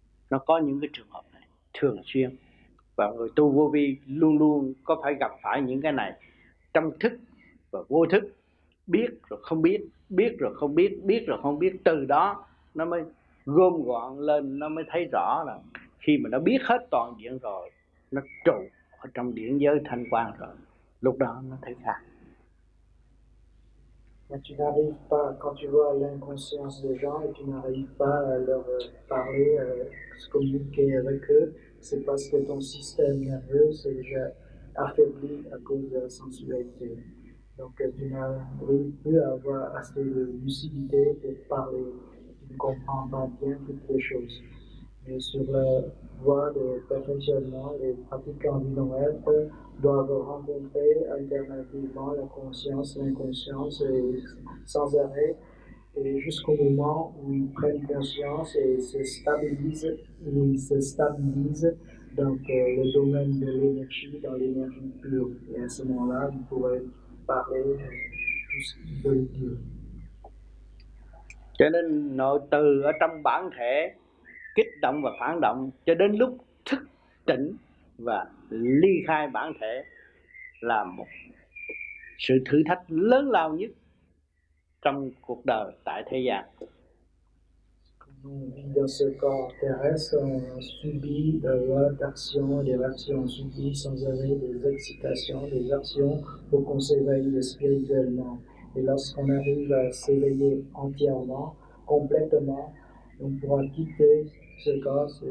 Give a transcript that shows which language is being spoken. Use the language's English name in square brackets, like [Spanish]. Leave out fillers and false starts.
[Vietnamese] nó có những cái trường hợp này thường xuyên. Và người tu vô vi luôn luôn có phải gặp phải những cái này trong thức và vô thức, biết rồi không biết, biết rồi không biết, biết rồi không biết. Từ đó nó mới gom gọn lên, nó mới thấy rõ là khi mà nó biết hết toàn diện rồi, nó trụ ở trong điển giới thanh quang rồi, lúc đó nó thấy khác. [French] Mais tu n'arrives pas, quand tu vois l'inconscience des gens et tu n'arrives pas à leur parler, à se communiquer avec eux, c'est parce que ton système nerveux s'est déjà affaibli à cause de la sensualité. Donc tu n'arrives plus à avoir assez de lucidité pour parler, tu ne comprends pas bien toutes les choses. Mais sur la voie de perfectionnement, les pratiquants du non-être doivent rencontrer alternativement la conscience, l'inconscience, sans arrêt, et jusqu'au moment où ils prennent conscience et se stabilisent, dans le domaine de l'énergie, dans l'énergie pure. Et à ce moment-là, ils pourraient parler tout ce qu'ils veulent dire. [Vietnamese] Cho nên nội từ ở trong bản thể kích động và phản động cho đến lúc thức tỉnh và ly khai bản thể là một sự thử thách lớn lao nhất trong cuộc đời tại thế gian. [French] Dans ce corps terrestre, on subit de l'action, des actions subies sans arrêt, des excitations, des actions pour qu'on s'éveille spirituellement. Et lorsqu'on arrive à s'éveiller entièrement, complètement, on pourra quitter ce corps.